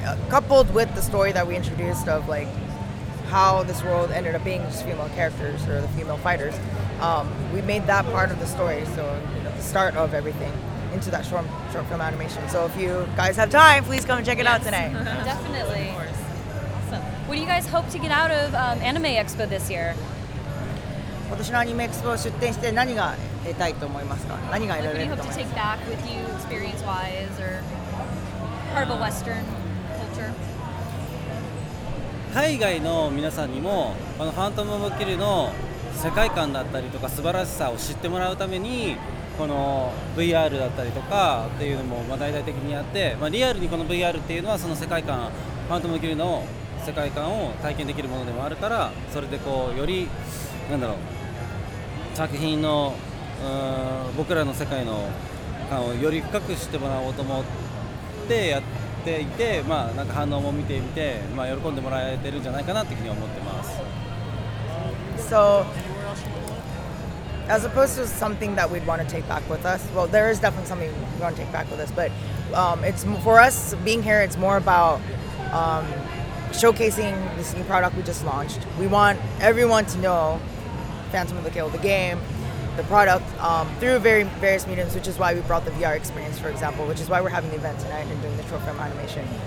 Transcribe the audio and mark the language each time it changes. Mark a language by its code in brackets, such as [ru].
[en] Coupled with the story that we introduced of like how this world ended up being just female characters or the female fighters, we made that part of the story, so you know, the start of everything, into that short film animation. So if you guys have time, please come and check it out tonight. Definitely. Of course. Awesome. What do you guys hope to get out of Anime Expo this year? [ja] 今年のアニメエクスポを出展して何が得たいと思いますか？何が得られると思いますか？ [en] What do you hope to take back with you experience wise or part of a Western culture? [ja] 海外の皆さんにもこのファントム・オブ・キルの世界観だったりとか素晴らしさを知ってもらうためにこの VR だったりとかっていうのも大々的にやって、まあ、リアルにこの VR っていうのはその世界観ファントム・オブ・キルの世界観を体験できるものでもあるからそれでこうよりなんだろう作品のうーん僕らの世界の感をより深く知ってもらおうと思ってやっていて、まあ、なんか反応も見てみて、まあ、喜んでもらえてるんじゃないかなっていうふうに思ってます。 [en] So as opposed to something that we'd want to take back with us, well there is definitely something we want to take back with us, but it's for us being here, it's more about showcasing this new product we just launched. We want everyone to know Phantom of the Kill, the game, the product, through very various mediums, which is why we brought the VR experience, for example, which is why we're having the event tonight and doing the short film animation.